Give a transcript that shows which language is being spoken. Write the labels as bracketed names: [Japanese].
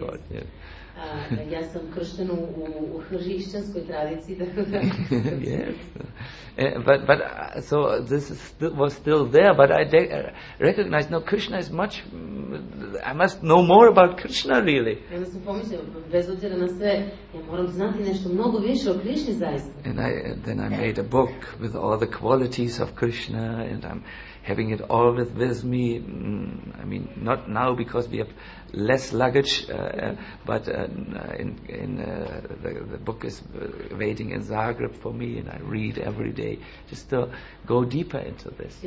[English] God. Yeah. [Serbian] Ja sam kršten u hrišćanskoj tradiciji. [English] Yes. But this was still there, but I recognized, no, Krishna is much, I must know more about Krishna, really. [Serbian] Ja sam pomislio, bez obzira na sve, ja moram znati nešto mnogo više o Krišni zaista. [English] And then I made a book with all the qualities of Krishna, and I'm having it all with me. I mean, not now because we have less luggage, but the book is waiting in Zagreb for me, and I read every day just to go deeper into this.